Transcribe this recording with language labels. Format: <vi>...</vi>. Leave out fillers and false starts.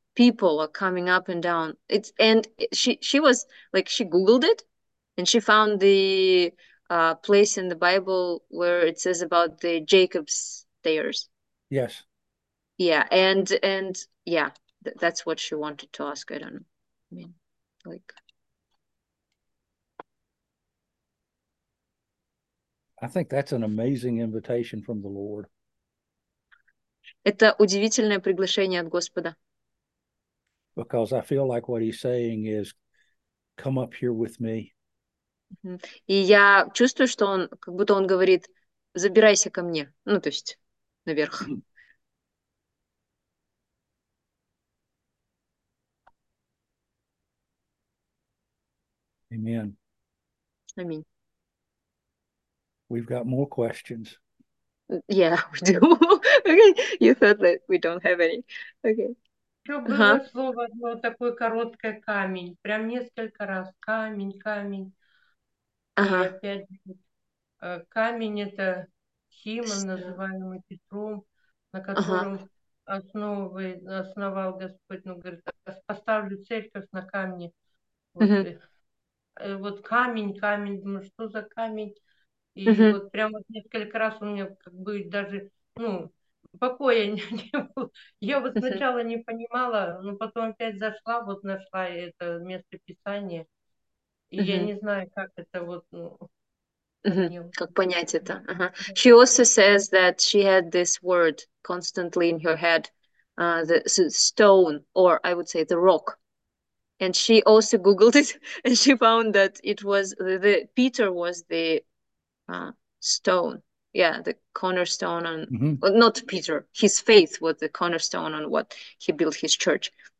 <en>people are coming up and down. It's and she was like she Googled it, and she found the place in the Bible where it says about the Jacob's stairs. Yes. Yeah, and yeah, that's what she wanted to ask. I don't know. I mean, like. I think that's an amazing invitation from the Lord.</en> <ru>Это удивительное приглашение от Господа.</ru> <en>Because I feel like what he's saying is, come up here with me.</en> <ru>И я чувствую, что он, как будто он говорит, забирайся ко мне. Ну, то есть, наверх.</ru> <en>Amen.</en> <ru>Аминь.</ru> <en>We've got more questions. Yeah, we do. Okay, you thought that we don't have any. Okay.</en> <ru>Еще было слово одно такое короткое камень. Прям несколько раз. Камень, камень. И опять камень это Симон, называемый Петром, на котором основал Господь. Ну, говорит, поставлю церковь на камне. Вот камень, камень. Думаю, что за камень? И вот прям вот несколько раз у меня как бы даже, ну, Покоя не было. Я вот сначала не понимала, но потом опять зашла, вот нашла это место писания. И я не знаю, как это вот... Ну, как понять это.</ru> <en>She also says that she had this word constantly in her head, the stone, or I would say the rock. And she also googled it, and she found that it was the Peter was the stone, yeah, the cornerstone on well, not Peter, his faith was the cornerstone on what he built his church.</en>